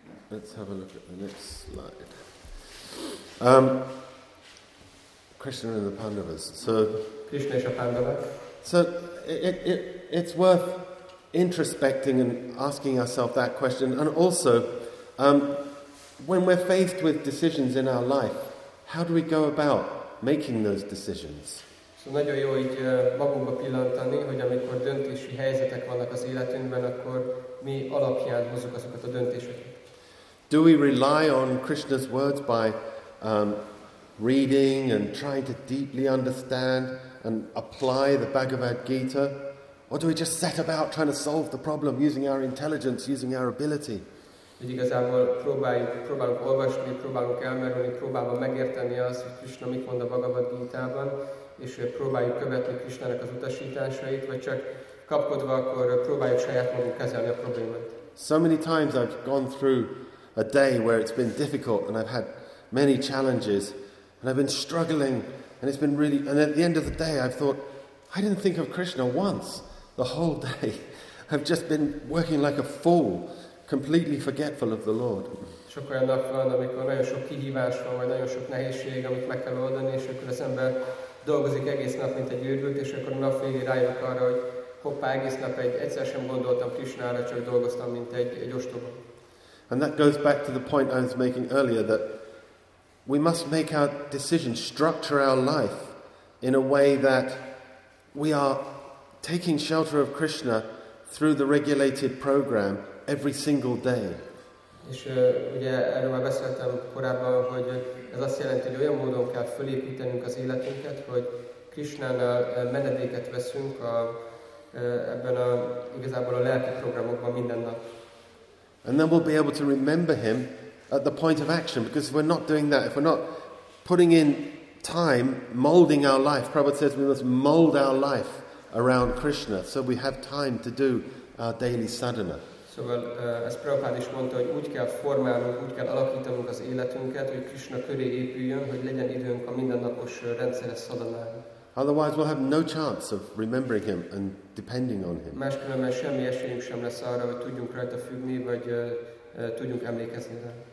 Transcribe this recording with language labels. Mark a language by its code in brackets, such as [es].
[en] Let's have a look at the next slide. Krishna and the Pandavas. So, Krishna and the Pandavas. So, it's worth introspecting and asking ourselves that question. And also, when we're faced with decisions in our life, how do we go about making those decisions? [hu] So, nagyon jó így magunkba pillantani, hogy amikor döntési helyzetek vannak az életünkben, akkor mi alapján hozzuk azokat a döntéseket. [en] Do we rely on Krishna's words by reading and trying to deeply understand and apply the Bhagavad Gita? Or do we just set about trying to solve the problem using our intelligence, using our ability? [hu] Hogy igazából próbálunk olvasni, próbálunk elmerülni, próbálva megérteni azt, hogy Krishna mit mond a Bhagavad Gita-ban, és próbáljuk követni Krishnának az utasításait, vagy csak kapkodva akkor próbáljuk saját magunk kezelni a problémát. [en] So many times I've gone through a day where it's been difficult and I've had many challenges and I've been struggling and it's been really, and at the end of the day I've thought, I didn't think of Krishna once the whole day. I've just been working like a fool, completely forgetful of the Lord. [hu] Sok olyan nap van, amikor nagyon sok kihívás van, vagy nagyon sok nehézség, amit meg kell oldani, és akkor az ember dolgozik egész nap, mint egy őrült, és akkor a nap végén rájövök arra, hogy hoppá, egész nap egyszer sem gondoltam Krishnára, csak dolgoztam, mint egy ostoba. [en] And that goes back to the point I was making earlier, that we must make our decisions, structure our life in a way that we are taking shelter of Krishna through the regulated program every single day. [hu] És ugye erről már beszéltem korábban, hogy ez azt jelenti, hogy olyan módon kell fölépítenünk az életünket, hogy Krishnánál menedéket veszünk ebben a igazából a lelki programokban minden nap. [en] And then we'll be able to remember him at the point of action, because if we're not doing that, if we're not putting in time, molding our life, Prabhupada says we must mold our life around Krishna, so we have time to do our daily sadhana. [hu] Szóval ezt Prabhupád is mondta, hogy úgy kell formálnunk, úgy kell alakítanunk az életünket, hogy Krishna köré épüljön, hogy legyen időnk a mindennapos rendszeres szadanára. [en] Otherwise we'll have no chance of remembering him and depending on him. [hu] Máskülönben semmi esélyünk sem lesz arra, hogy tudjunk rajta függni, vagy tudjunk emlékezni rá.